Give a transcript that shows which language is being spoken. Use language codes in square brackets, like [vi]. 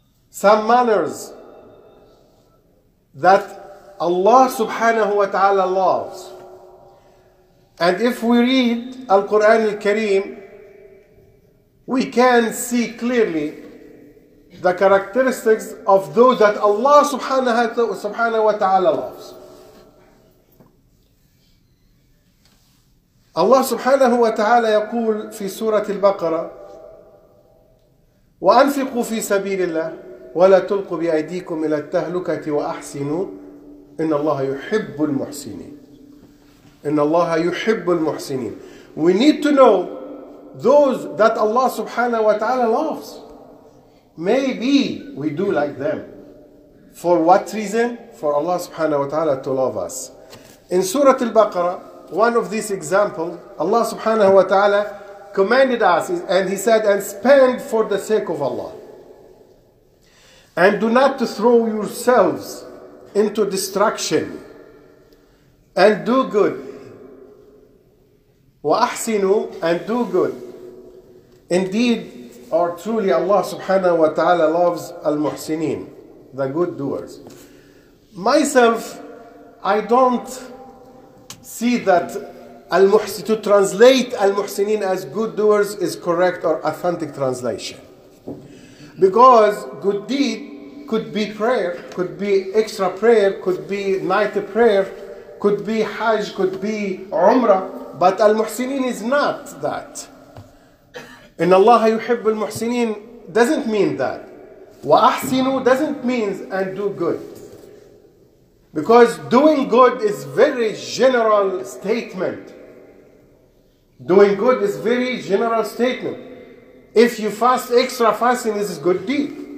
[en] Some manners that Allah subhanahu wa ta'ala loves. And if we read Al-Quran Al-Kareem, we can see clearly the characteristics of those that Allah subhanahu wa ta'ala loves. [ar] الله سبحانه وتعالى يقول في سورة البقرة وأنفقوا في سبيل الله ولا تلقوا بأيديكم إلى التهلكة وأحسنوا إن الله يحب المحسنين إن الله يحب المحسنين [en] We need to know those that Allah سبحانه وتعالى loves. Maybe we do like them. For what reason? For Allah سبحانه وتعالى to love us. In سورة البقرة One of these examples, Allah subhanahu wa ta'ala commanded us, and He said, and spend for the sake of Allah. And do not throw yourselves into destruction. And do good. وَأَحْسِنُوا And do good. Indeed, or truly, Allah subhanahu wa ta'ala loves al-muhsineen, the good doers. Myself, I don't see that to translate al-muhsinin as good doers is correct or authentic translation. Because good deed could be prayer, could be extra prayer, could be night prayer, could be hajj, could be umrah, but al-muhsinin is not that. [ar] إن الله يحب المحسنين [en] doesn't mean that. وأحسنوا doesn't mean and do good. Because doing good is very general statement. Doing good is very general statement. If you fast, extra fasting is a good deed.